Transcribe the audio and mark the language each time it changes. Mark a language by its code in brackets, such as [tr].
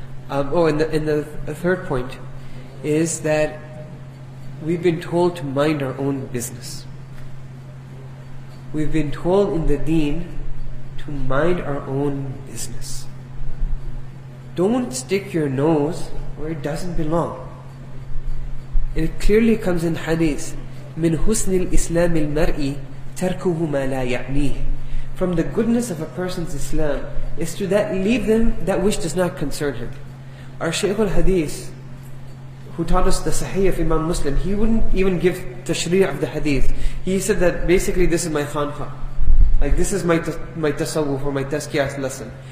[en] And the third point is that we've been told to mind our own business. We've been told in the deen to mind our own business. Don't stick your nose where it doesn't belong. It clearly comes in hadith, [ar] مِنْ حُسْنِ الْإِسْلَامِ الْمَرْءِ تَرْكُهُ مَا لَا يَعْنِيهِ. [en] From the goodness of a person's Islam is to that leave them that which does not concern him. Our Shaykh al-Hadith, who taught us the Sahih of Imam Muslim, he wouldn't even give tashri' of the Hadith. He said that basically this is my khanqa. Like this is my tasawwuf or my tazkiyah lesson.